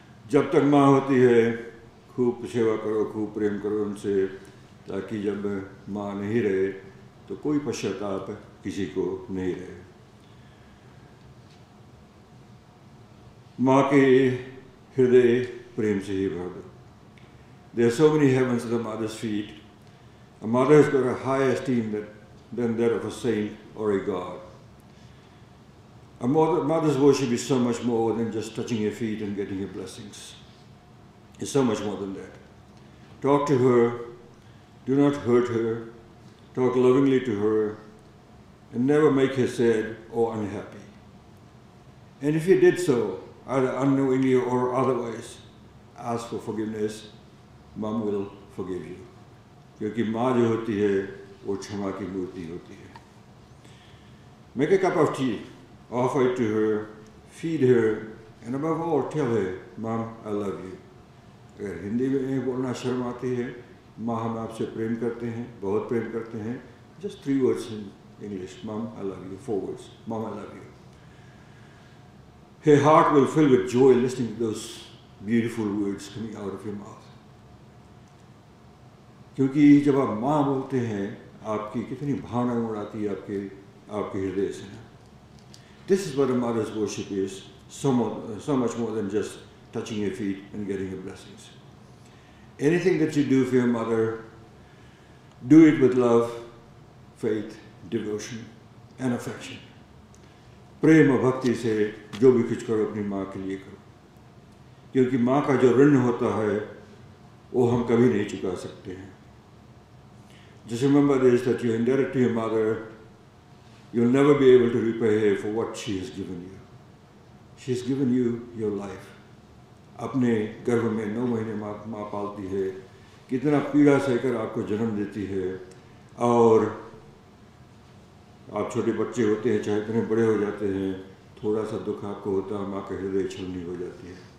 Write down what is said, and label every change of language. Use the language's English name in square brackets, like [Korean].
[Hindi] जब तक माँ होती है खूब सेवा करो, खूब प्रेम करो उनसे, ताकि जब माँ नहीं रहे तो कोई पश्चाताप किसी को नहीं रहे। माँ के हृदय प्रेम से ही भर दो। [English] There are so many heavens at the mother's feet. A mother has got a higher esteem than that of a saint or a god. A mother's worship is so much more than just touching her feet and getting her blessings. It's so much more than that. Talk to her, do not hurt her, talk lovingly to her, and never make her sad or unhappy. And if you did so, either unknowingly or otherwise, ask for forgiveness, mom will forgive you. [Hindi] क्योंकि माँ जो होती है वो क्षमा की मूर्ति होती है। [English] make a cup of tea, offer it to her, feed her, and above all, tell her, Mom, I love you. [Hindi] अगर हिंदी में बोलना शर्म आती है, माँ हम आपसे प्रेम करते हैं, बहुत प्रेम करते हैं, [English] just three words in English, Mom, I love you, [Hindi] four words, Mom, I love you. [English] Her heart will fill with joy listening to those beautiful words coming out of your mouth. [Hindi] क्योंकि जब आप माँ बोलते हैं, आपकी कितनी भावना उड़ाती है आपके आपके हृदय से ना. [English] This is what a mother's worship is, so much more than just touching your feet and getting your blessings. Anything that you do for your mother, do it with love, faith, devotion, and affection. [Hindi] प्रेम और भक्ति से जो भी कुछ करो अपनी माँ के लिए करो, क्योंकि माँ का जो ऋण होता है वो हम कभी नहीं चुका सकते हैं. [English] Just remember this, that you're indebted to your mother. You'll never be able to repay her for what she has given you. She has given you your life. [Hindi] अपने गर्भ में 9 महीने माँ पालती है, कितना पीड़ा सहकर आपको जन्म देती है, और आप छोटे बच्चे होते हैं, चाहे इतने बड़े हो जाते हैं, थोड़ा सा दुख आपको होता है, माँ का हृदय छलनी हो जाती है.